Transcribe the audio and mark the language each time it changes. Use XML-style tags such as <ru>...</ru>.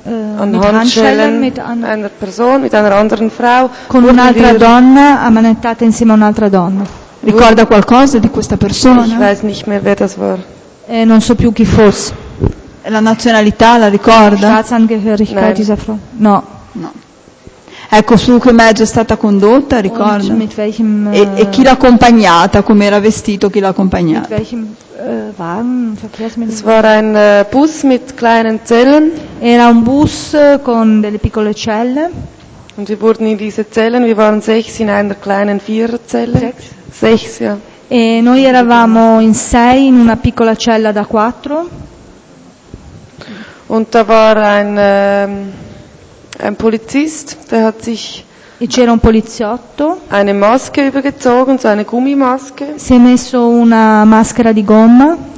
<de>Handschellen mit einer Person, mit einer anderen Frau.</de> <it>Con un'altra donna, ammanettata insieme a un'altra donna. Ricorda qualcosa di questa persona?</it> <de>Ich weiß nicht mehr, wer das war.</de> <it>Non so più chi fosse. La nazionalità la ricorda?</it> <de>Staatsangehörigkeit dieser Frau.</de> <it>No. No. Ecco, su che mezzo è stata condotta, ricorda?</it> <de>Mit welchem,</de> <it>e chi l'ha accompagnata, come era vestito, chi l'ha accompagnata?</it> <de>Mit welchem Wagen, Verkehrsmittel? Es war ein Bus mit kleinen Zellen.</de> <it>Era un bus con delle piccole celle.</it> <de>Und wir wurden in diese Zellen, wir waren sechs in einer kleinen Viererzelle. Sechs, ja.</de> <it>E noi eravamo in sei in una piccola cella da quattro.</it> <de>Und da war ein Polizist, der hat sich</de> <it>e c'era un poliziotto.</it> <de>Eine Maske übergezogen, so eine Gummimaske.</de> <it>Si è messo una maschera di gomma.</it>